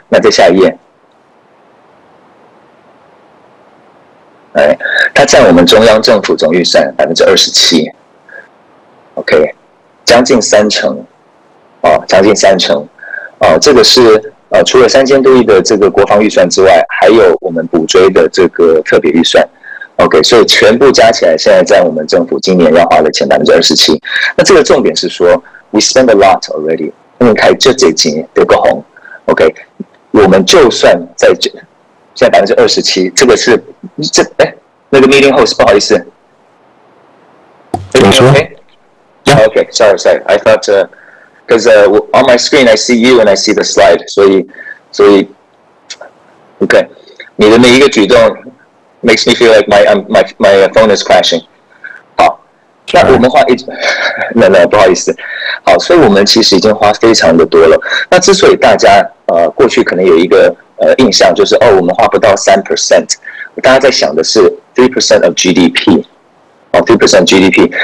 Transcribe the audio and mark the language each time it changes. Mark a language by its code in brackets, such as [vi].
[zh] 那再下一页，哎，它占我们中央政府总预算27% ，OK， 将近30%，将近30%，这个是除了3000多亿的这个国防预算之外，还有我们补追的这个特别预算。 OK， 所以全部加起来，现在在我们政府今年要花的钱27%。那这个重点是说 ， [en] we spend a lot already。 [zh] 你看，就这几年得个红。 OK， 我们就算在这，现在27%，这个是这那个 meeting host 不好意思，你说 [en] ？OK，sorry，I thought because on my screen I see you and I see the slide， [zh] 所以 [en] OK， [zh] 你的每一个举动。 [en] Makes me feel like my phone is crashing。 [zh] 好，那我们花一那那不好意思。好，所以我们其实已经花非常的多了。那之所以大家过去可能有一个印象，就是我们花不到3%，大家在想的是 [en] 3% of GDP， [zh] 3% GDP。